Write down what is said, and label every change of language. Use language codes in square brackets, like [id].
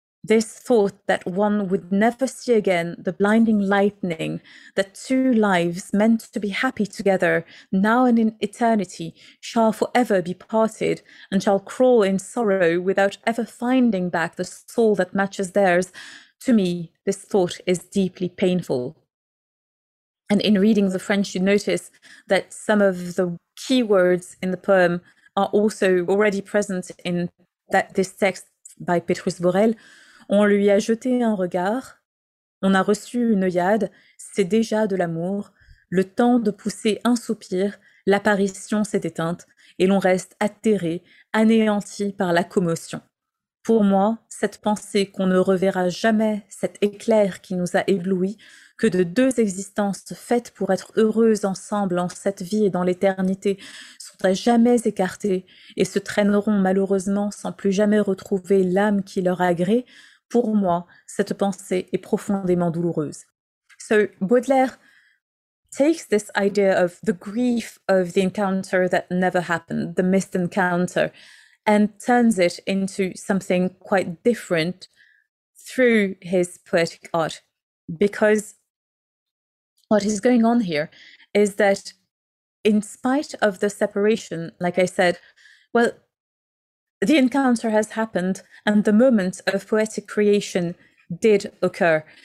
[en] this thought that one would never see again the blinding lightning, that two lives meant to be happy together, now and in eternity, shall forever be parted, and shall crawl in sorrow without ever finding back the soul that matches theirs, to me, this thought is deeply painful. And in reading the French, you notice that some of the key words in the poem are also already present in that this text by Petrus Borel. [fr] On lui a jeté un regard, on a reçu une œillade, c'est déjà de l'amour. Le temps de pousser un soupir, l'apparition s'est éteinte et l'on reste atterré, anéanti par la commotion. Pour moi, cette pensée qu'on ne reverra jamais cet éclair qui nous a éblouis, que de deux existences faites pour être heureuses ensemble en cette vie et dans l'éternité sont à jamais écartées et se traîneront malheureusement sans plus jamais retrouver l'âme qui leur agrée, pour moi, cette pensée est profondément douloureuse. [en] So Baudelaire takes this idea of the grief of the encounter that never happened, the missed encounter, and turns it into something quite different through his poetic art. Because what is going on here is that in spite of the separation, like I said, well, the encounter has happened and the moment of poetic creation did occur.